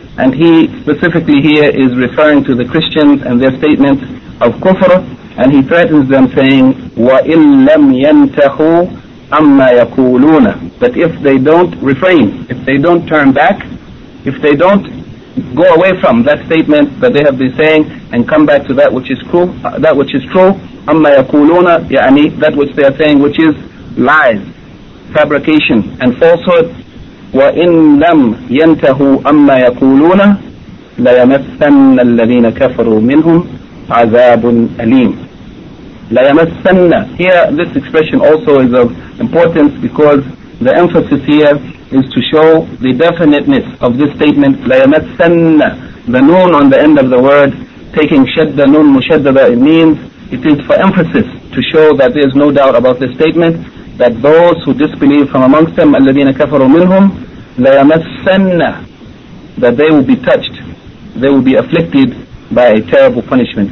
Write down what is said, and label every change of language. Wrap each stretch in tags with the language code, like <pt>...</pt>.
<en>And he specifically here is referring to the Christians and their statements of kufr, and he threatens them saying,</en> <ar>وَإِن لَمْ يَنْتَهُوا أَمَّا يَقُولُونَ,</ar> <en>that if they don't refrain, if they don't turn back, if they don't go away from that statement that they have been saying and come back to that which is true, amma yaquluna, that which they are saying, which is lies, fabrication, and falsehood,</en> <ar>وإن لم ينتهوا أما يقولون ليمثن الذين كفروا منهم عذاب أليم.</ar> <en>ليمثن, here this expression also is of importance because the emphasis here is to show the definiteness of this statement. ليمثن, the noon on the end of the word taking شد</en> <ar>نون مشددة,</ar> <en>it means it is for emphasis to show that there is no doubt about this statement, that those who disbelieve from amongst them,</en> <ar>الذين كفروا منهم,</ar> <en>ليمثن, that they will be touched, they will be afflicted by a terrible punishment.</en>